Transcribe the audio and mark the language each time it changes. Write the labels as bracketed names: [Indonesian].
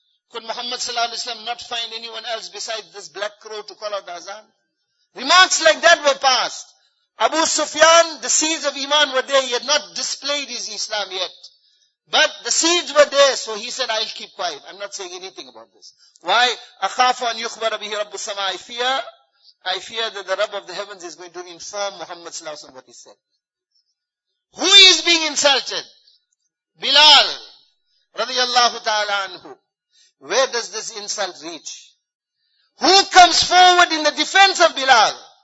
[English] Could Muhammad sallallahu alayhi wa sallam not find anyone else besides this black crow to call out the azan? Remarks like that were passed. Abu Sufyan, the seeds of Iman were there. He had not displayed his Islam yet. But the seeds were there. So he said, I'll keep quiet. I'm not saying anything about this. Why? [Arabic] أَخَافُ أَنْ يُخْبَرَ بِهِ رَبُّ السَّمَاءِ. [English] I fear that the Rabb of the heavens is going to inform Muhammad sallallahu alayhi wa sallam what he said. Who is being insulted? Bilal radiyallahu ta'ala anhu. Where does this insult reach? Who comes forward in the defense of Bilal?